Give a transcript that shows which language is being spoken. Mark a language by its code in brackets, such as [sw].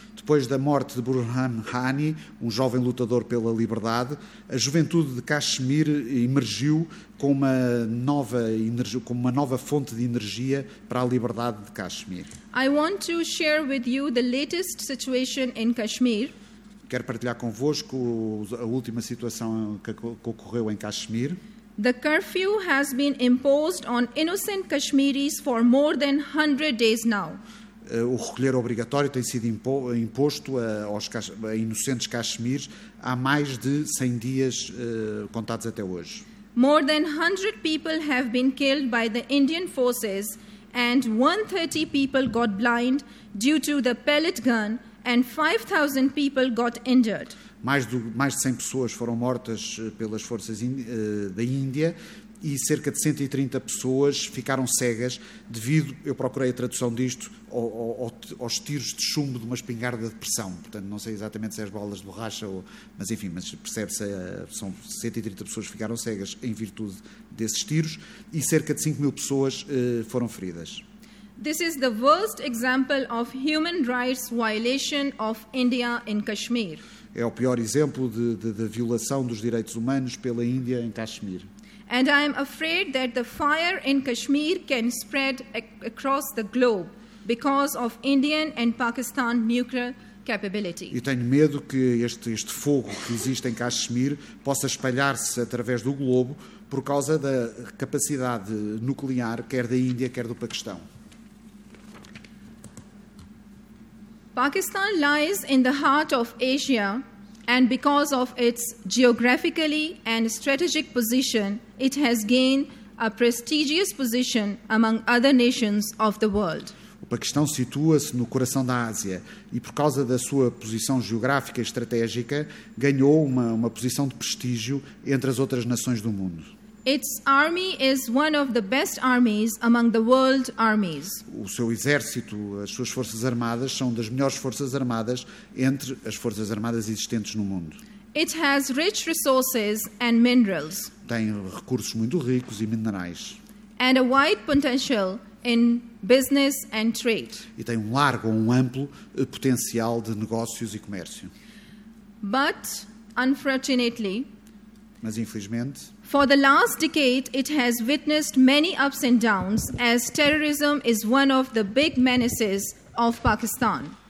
[pt] Depois da morte de Burhan Wani, um jovem lutador pela liberdade, a juventude de Kashmir emergiu com uma nova fonte de energia para a liberdade de Kashmir. [en] I want to share with you the latest situation in Kashmir. [pt] Quero partilhar convosco a última situação que ocorreu em Kashmir. [en] The curfew has been imposed on innocent Kashmiris for more than 100 days now. [pt] O recolher obrigatório tem sido imposto a inocentes Kashmiris há mais de 100 dias contados até hoje. [en] More than 100 people have been killed by the Indian forces and 130 people got blind due to the pellet gun and 5,000 people got injured. [pt] Mais de 100 pessoas foram mortas pelas forças da Índia e cerca de 130 pessoas ficaram cegas eu procurei a tradução disto, aos tiros de chumbo de uma espingarda de pressão. Portanto, não sei exatamente se é as bolas de borracha, mas percebe-se, são 130 pessoas que ficaram cegas em virtude desses tiros e cerca de 5,000 pessoas foram feridas. [en] This is the worst example of human rights violation of India in Kashmir. [pt] É o pior exemplo de violação dos direitos humanos pela Índia em Kashmir. [en] And I am afraid that the fire in Kashmir can spread across the globe because of Indian and Pakistan nuclear capability. [pt] Eu tenho medo que este fogo que existe em Kashmir possa espalhar-se através do globo por causa da capacidade nuclear quer da Índia quer do Paquistão. [en] Pakistan lies in the heart of Asia, and because of its geographically and strategic position, it has gained a prestigious position among other nations of the world. [pt] O Paquistão situa-se no coração da Ásia e, por causa da sua posição geográfica e estratégica, ganhou uma posição de prestígio entre as outras nações do mundo. [en] Its army is one of the best armies among the world armies. [pt] O seu exército, as suas forças armadas, são das melhores forças armadas entre as forças armadas existentes no mundo. [en] It has rich resources and minerals. [pt] Tem recursos muito ricos e minerais. [en] And a wide potential in business and trade. [pt] E tem um largo, um amplo potencial de negócios e comércio. [en] But, unfortunately, [pt] mas infelizmente, [en] for the last decade, it has witnessed many ups and downs as terrorism is one of the big menaces of Pakistan.